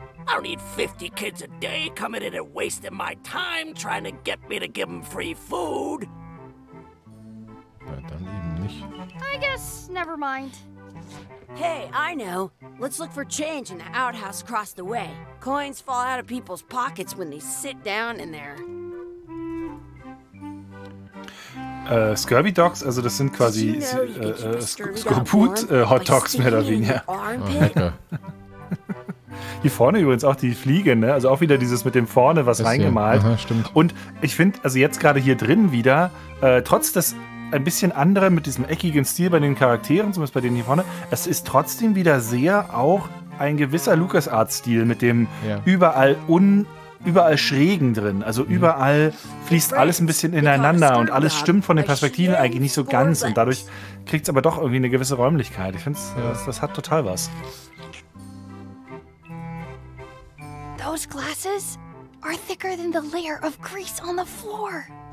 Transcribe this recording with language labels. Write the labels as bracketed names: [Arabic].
[English] I don't need 50 kids a day coming in and wasting my time trying to get me to give them free food. [German] Na, dann eben nicht. [English] I guess, never mind. Hey, I know. Let's look for change in the outhouse across the way. Coins fall out of people's pockets when they sit down in there. [German] Scurvy Dogs, also das sind quasi Scorpion-Hot Dogs, mehr oder weniger. Hier vorne übrigens auch die Fliege, ne? Also auch wieder dieses mit dem vorne was ist reingemalt. Aha, stimmt. Und ich finde, also jetzt gerade hier drin wieder, trotz des ein bisschen anderen mit diesem eckigen Stil bei den Charakteren, zumindest bei denen hier vorne, es ist trotzdem wieder sehr auch ein gewisser LucasArts-Stil mit dem überall Schrägen drin. Also überall fließt alles ein bisschen ineinander und alles stimmt von den Perspektiven eigentlich nicht so ganz. Und dadurch kriegt es aber doch irgendwie eine gewisse Räumlichkeit. Ich finde, das hat total was. [English] Those glasses are thicker than the layer of grease on the floor.